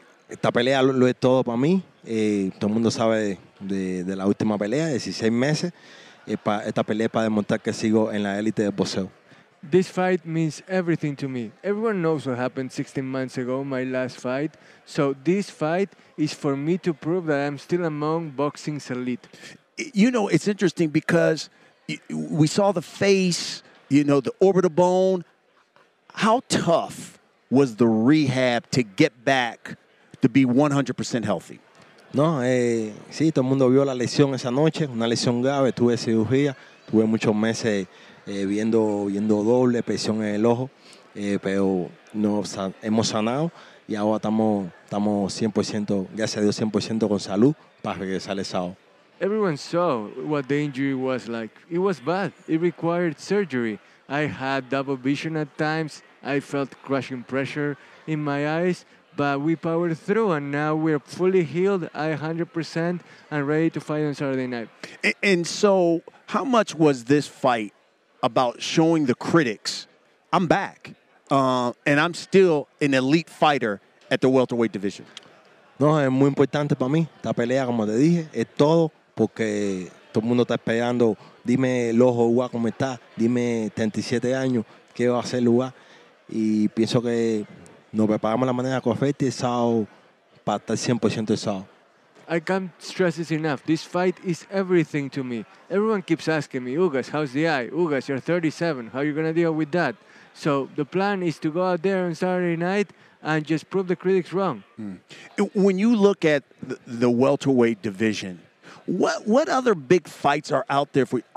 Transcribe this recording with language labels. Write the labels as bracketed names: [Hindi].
[Spanish] Esta pelea lo es todo para mí. Todo el mundo sabe de la última pelea, 16 meses. Esta pelea para demostrar que sigo en la élite del boxeo. [English] This fight means everything to me. Everyone knows what happened 16 months ago, my last fight. So this fight is for me to prove that I'm still among boxing's elite. You know, it's interesting because we saw the face, you know, the orbital bone. How tough was the rehab to get back to be 100% healthy? [Spanish] No, sí, todo el mundo vio la lesión esa noche, una lesión grave, tuve cirugía, tuve muchos meses viendo doble presión en el ojo, pero hemos sanado y ahora estamos 100%, gracias a Dios, 100% con salud para regresar el sábado. [English] Everyone saw what the injury was like. It was bad. It required surgery. I had double vision at times. I felt crushing pressure in my eyes, but we powered through, and now we're fully healed, 100%, and ready to fight on Saturday night. And so how much was this fight about showing the critics, I'm back, and I'm still an elite fighter at the welterweight division? [Spanish] No, es muy importante para mí. Esta pelea, como te dije, es todo, porque todo el mundo está esperando. Dime el ojo, Ua, cómo está. Dime 37 años, qué va a hacer Ua. Y pienso que nos preparamos la manera correcta el sábado para estar 100% el sábado. [English] I can't stress this enough. This fight is everything to me. Everyone keeps asking me, Ugas, how's the eye? Ugas, you're 37. How are you going to deal with that? So the plan is to go out there on Saturday night and just prove the critics wrong. When you look at the welterweight division, what other big fights are out there for you?